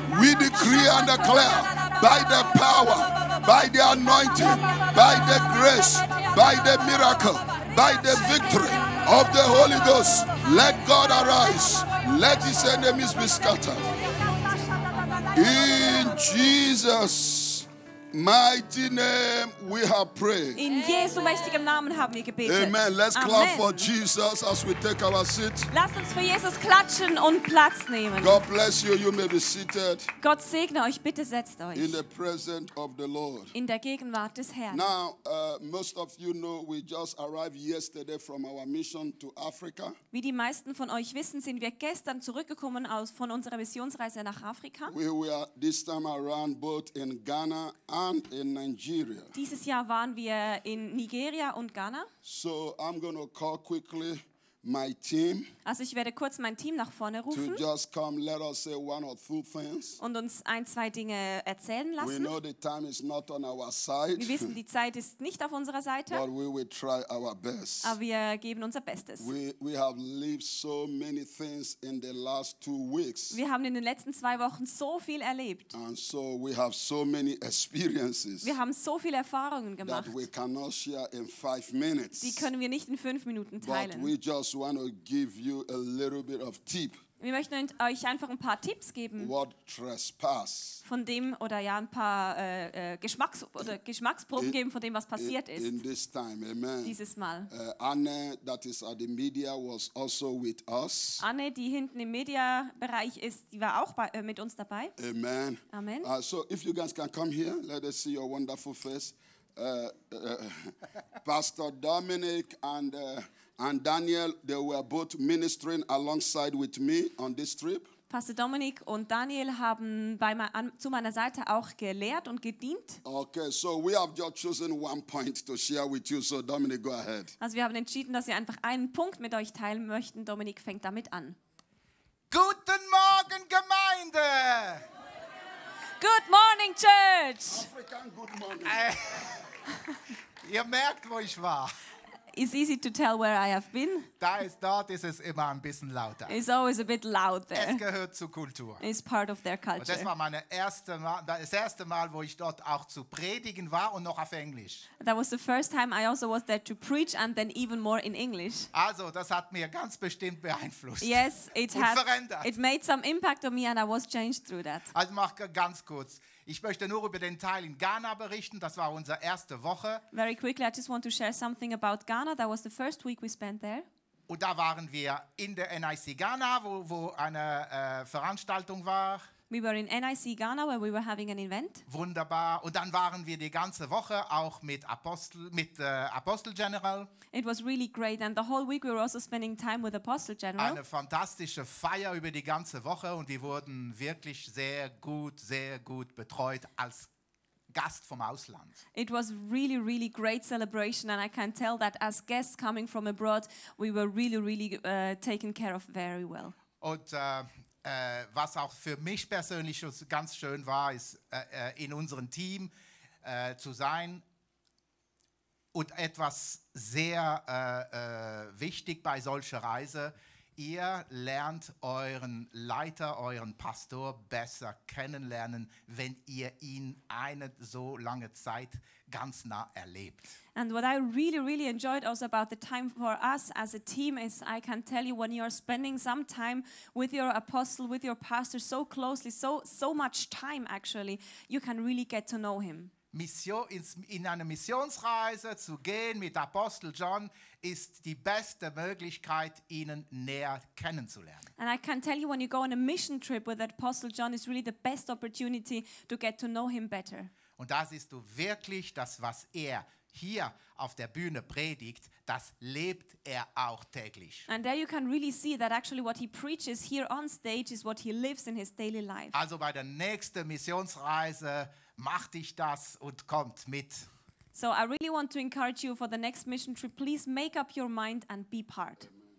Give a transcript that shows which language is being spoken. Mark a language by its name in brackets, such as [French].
[English] We decree and declare by the power, by the anointing, by the grace, by the miracle, by the victory of the Holy Ghost, let God arise. Let his enemies be scattered. In Jesus' mighty name, we have prayed. [German] In Jesus' mächtigem Namen haben wir gebetet. [English] Amen. Let's clap for Jesus as we take our seat. [German] Lasst uns für Jesus klatschen und Platz nehmen. [English] God bless you. You may be seated. [German] Gott segne euch. Bitte setzt euch. [English] In the presence of the Lord. [German] In der Gegenwart des Herrn. [English] Now, most of you know we just arrived yesterday from our mission to Africa. [German] Wie die meisten von euch wissen, sind wir gestern zurückgekommen aus von unserer Missionsreise nach Afrika. [English] We were this time around both in Ghana and in Nigeria. [German] Dieses Jahr waren wir in Nigeria und Ghana. [English] So I'm going to call quickly my team. [German] Also ich werde kurz mein Team nach vorne rufen. [English] To just come, let us say one or two things. [German] Und uns ein, zwei Dinge erzählen lassen. [English] We know the time is not on our side. [German] Wir wissen, die Zeit ist nicht auf unserer Seite. [English] But we will try our best. [German] Aber wir geben unser Bestes. [English] We have lived so many things in the last 2 weeks. [German] Wir haben in den letzten 2 Wochen so viel erlebt. [English] And so we have so many experiences. [German] Wir haben so viele Erfahrungen gemacht. [English] That we cannot share in 5 minutes. [German] Die können wir nicht in 5 Minuten teilen. [English] But we just want to give you a little bit of tip. [German] Wir möchten euch einfach ein paar Tipps geben. [English] What trespass? [German] Von dem oder ja ein paar Geschmacks oder Geschmacksproben geben von dem, was passiert ist. [English] In this time, amen. [German] Dieses Mal. [English] Anne, that is at the media, was also with us. [German] Anne, die hinten im Mediabereich ist, die war auch mit uns dabei. [English] Amen. Amen. So, if you guys can come here, let us see your wonderful face. Pastor Dominic and Daniel, they were both ministering alongside with me on this trip. [German] Pastor Dominic und Daniel haben zu meiner Seite auch gelehrt und gedient. [English] Okay, so we have just chosen one point to share with you. So Dominic, go ahead. [German] Also wir haben entschieden, dass wir einfach einen Punkt mit euch teilen möchten. Dominic fängt damit an. Guten Morgen, Gemeinde. [English] Good morning, Church. African good morning. [German] Ihr merkt, wo ich war. [English] It's easy to tell where I have been. [German] Dort ist es immer ein bisschen lauter. [English] It's always a bit loud there. [German] Es gehört zur Kultur. [English] It's part of their culture. [German] Und das war meine erste das erste Mal, wo ich dort auch zu predigen war und noch auf Englisch. [English] That was the first time I also was there to preach and then even more in English. [German] Also, das hat mir ganz bestimmt beeinflusst. [English] Yes, it has. [German] Verändert. [English] It made some impact on me and I was changed through that. [German] Also mach ganz kurz. Ich möchte nur über den Teil in Ghana berichten. Das war unsere erste Woche. [English] Very quickly, I just want to share something about Ghana. That was the first week we spent there. [German] Und da waren wir in der NIC Ghana, wo eine Veranstaltung war. [English] We were in NIC Ghana, where we were having an event. [German] Wunderbar. Und dann waren wir die ganze Woche auch mit Apostel General. [English] It was really great. And the whole week we were also spending time with Apostle General. [German] Eine fantastische Feier über die ganze Woche. Und wir wurden wirklich sehr gut betreut als Gast vom Ausland. [English] It was really, really great celebration. And I can tell that as guests coming from abroad, we were really, really taken care of very well. [German] Und was auch für mich persönlich ganz schön war, ist in unserem Team zu sein. Und etwas sehr wichtig bei solcher Reise, ihr lernt euren Leiter, euren Pastor besser kennenlernen, wenn ihr ihn eine so lange Zeit ganz nah erlebt. [English] And what I really, really enjoyed also about the time for us as a team is I can tell you when you're spending some time with your apostle, with your pastor so closely, so much time actually, you can really get to know him. [German] In eine Missionsreise zu gehen mit Apostel John ist die beste Möglichkeit, ihnen näher kennenzulernen. [English] And I can tell you when you go on a mission trip with Apostle John is really the best opportunity to get to know him better. [German] Und da siehst du wirklich, das, was er hier auf der Bühne predigt, das lebt er auch täglich. [English] And there you can really see that actually what he preaches here on stage is what he lives in his daily life. [German] Also bei der nächsten Missionsreise, mach dich das und kommt mit. [English] So I really want to encourage you for the next mission trip. Please make up your mind and be part.